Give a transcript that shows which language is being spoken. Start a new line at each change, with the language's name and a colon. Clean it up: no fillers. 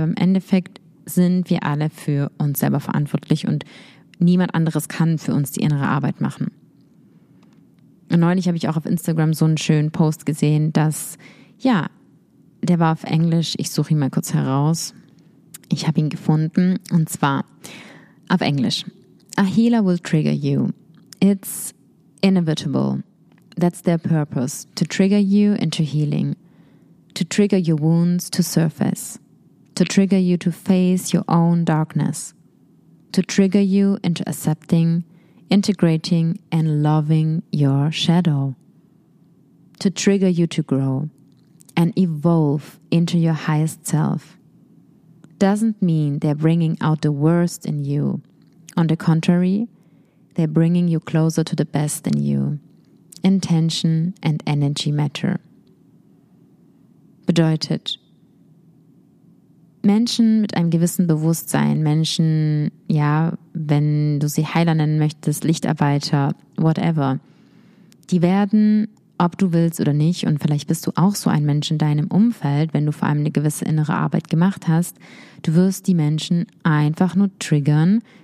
German: Aber im Endeffekt sind wir alle für uns selber verantwortlich und niemand anderes kann für uns die innere Arbeit machen. Und neulich habe ich auch auf Instagram so einen schönen Post gesehen, dass, ja, der war auf Englisch, ich suche ihn mal kurz heraus. Ich habe ihn gefunden, und zwar auf Englisch.
English: A healer will trigger you. It's inevitable. That's their purpose, to trigger you into healing. To trigger your wounds to surface. To trigger you to face your own darkness. To trigger you into accepting, integrating and loving your shadow. To trigger you to grow and evolve into your highest self. Doesn't mean they're bringing out the worst in you. On the contrary, they're bringing you closer to the best in you. Intention and energy matter.
German: Bedeutet, Menschen mit einem gewissen Bewusstsein, Menschen, ja, wenn du sie Heiler nennen möchtest, Lichtarbeiter, whatever, die werden, ob du willst oder nicht, und vielleicht bist du auch so ein Mensch in deinem Umfeld, wenn du vor allem eine gewisse innere Arbeit gemacht hast, du wirst die Menschen einfach nur triggern.